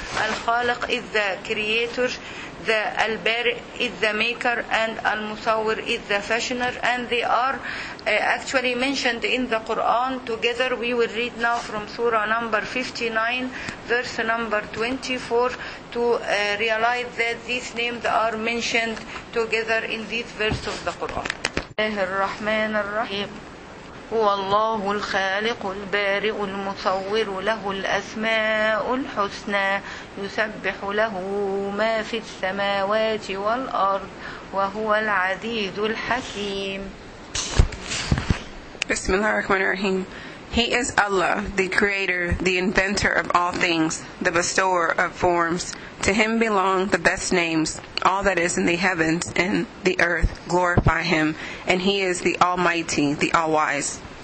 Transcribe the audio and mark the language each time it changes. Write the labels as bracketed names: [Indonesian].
[English] Al-Khaliq is the creator, the Al-Bari' is the maker, and Al-Musawwir is the fashioner, and they are actually mentioned in the Quran together. We will read now from Surah number 59, verse number 24, to realize that these names are mentioned together in this verse of the Quran. [Arabic] الرحمن الرحيم هو الله الخالق البارئ المصور له الأسماء الحسنى يسبح له ما في السماوات والأرض وهو العزيز الحكيم. بسم الله الرحمن الرحيم. [English] He is Allah, the creator, the inventor of all things, the bestower of forms. To him belong the best names. All that is in the heavens and the earth glorify him, and he is the Almighty, the All-Wise.